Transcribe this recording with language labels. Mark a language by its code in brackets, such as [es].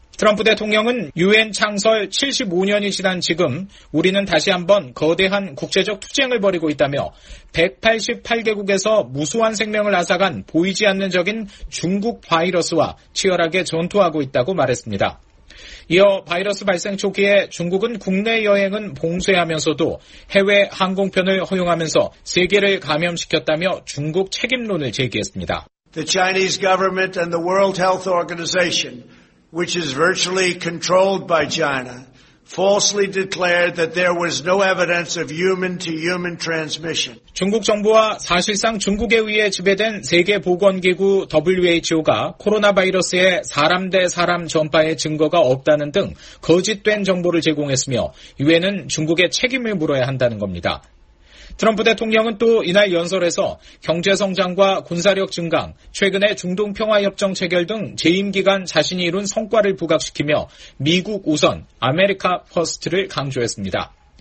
[ko] 트럼프 대통령은 유엔 창설 75년이 지난 지금 우리는 다시 한번 거대한 국제적 투쟁을 벌이고 있다며 188개국에서 무수한 생명을 앗아간 보이지 않는 적인 중국 바이러스와 치열하게 전투하고 있다고 말했습니다. 이어 바이러스 발생 초기에 중국은 국내 여행은 봉쇄하면서도 해외 항공편을 허용하면서 세계를 감염시켰다며 중국 책임론을 제기했습니다. [en] The Chinese government and the World Health Organization, which is virtually controlled by China, falsely declared that there was no evidence of human-to-human transmission. [ko] 중국 정부와 사실상 중국에 의해 지배된 세계보건기구 WHO가 코로나 바이러스의 사람 대 사람 전파의 증거가 없다는 등 거짓된 정보를 제공했으며 유엔은 중국의 책임을 물어야 한다는 겁니다. 트럼프 대통령은 또 이날 연설에서 경제성장과 군사력 증강, 최근의 중동평화협정 체결 등 재임 기간 자신이 이룬 성과를 부각시키며 미국 우선, 아메리카 퍼스트를 강조했습니다.